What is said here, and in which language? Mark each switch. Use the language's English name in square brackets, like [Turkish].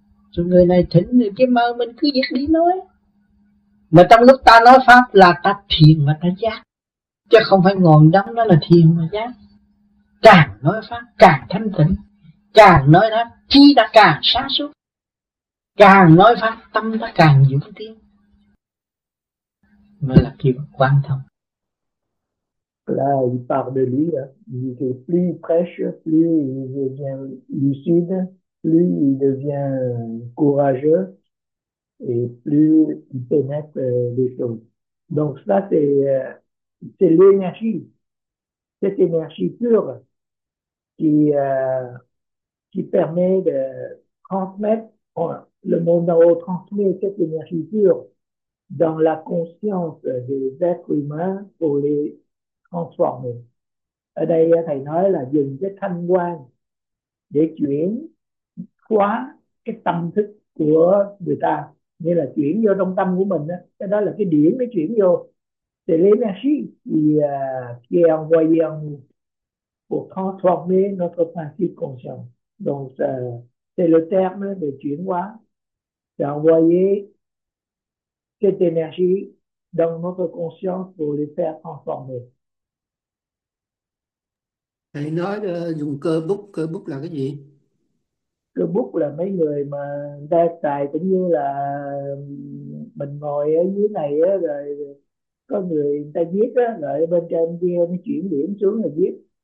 [Vietnamese] Rồi người này thỉnh người kia mời mình cứ việc đi nói, mà trong lúc ta nói pháp là ta thiền và ta giác, chứ không phải ngồi đắm đó là thiền và giác. Càng nói pháp càng thanh tịnh, càng nói pháp trí ta càng sáng suốt, càng nói pháp tâm ta càng dũng tiến, mới là kiểu quan thông. [French] Là il parle de lui, hein. Il est plus prêche, plus il devient lucide, plus il devient courageux et plus il pénètre les choses. Donc ça, c'est l'énergie, cette énergie pure qui permet de transmettre, le monde en haut transmet cette énergie pure dans la conscience des êtres humains pour les transformer. D'ailleurs, il y a la vie [Vietnamese] để chuyển qua cái tâm thức của người ta, nghĩa là chuyển vô trong tâm của mình á, cái đó là cái điển nó chuyển vô. Thì [French] l'énergie qui est envoyée en pour transformer notre principe conscient. Donc, c'est le terme de chuyển hóa, c'est envoyer cette énergie dans notre conscience pour les faire transformer. [Vietnamese] Thầy nói dùng cơ bút là cái gì? Cơ bút là mấy người mà đang xài cũng như là mình ngồi ở dưới này á, rồi có người ta viết á, rồi bên trên kia nó chuyển điểm xuống là viết.